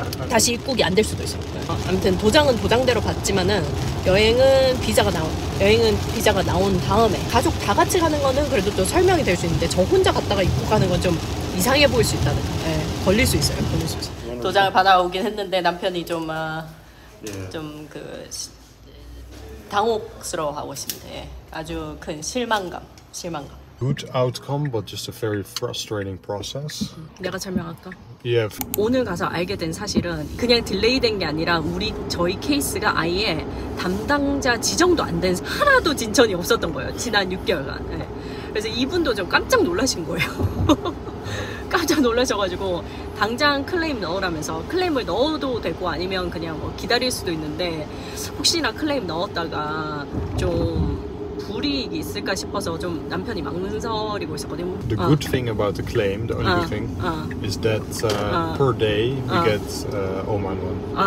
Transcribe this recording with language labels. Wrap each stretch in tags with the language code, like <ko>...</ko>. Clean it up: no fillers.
<ko>다시 입국이 안 될 수도 있어. 아무튼 도장은 도장대로 받지만은 여행은 비자가 나온 다음에 가족 다 같이 가는 거는 그래도 또 설명이 될 수 있는데 저 혼자 갔다가 입국하는 건 좀 이상해 보일 수 있다는. 예, 걸릴 수 있어요. 걸릴 수 있어. 도장을 받아오긴 했는데 남편이 좀 좀 그 당혹스러워하고 있습니다. 예, 아주 큰 실망감.</ko> <en>Good outcome, but just a very frustrating process.</en> <ko>내가 설명할까?</ko> <en>Yeah.</en> <ko>오늘 가서 알게 된 사실은 그냥 딜레이 된 게 아니라 저희 케이스가 아예 담당자 지정도 안 된 하나도 진전이 없었던 거예요. 지난 6개월간. 네. 그래서 이분도 좀 깜짝 놀라신 거예요. 깜짝 놀라셔가지고 당장 클레임 넣으라면서 클레임을 넣어도 되고 아니면 그냥 뭐 기다릴 수도 있는데 혹시나 클레임 넣었다가 좀 불이익이 있을까 싶어서 좀 남편이 망설이고 있었거든요.</ko> <en>The good thing about the claim, the only thing, is that per day we get Oman one.</en>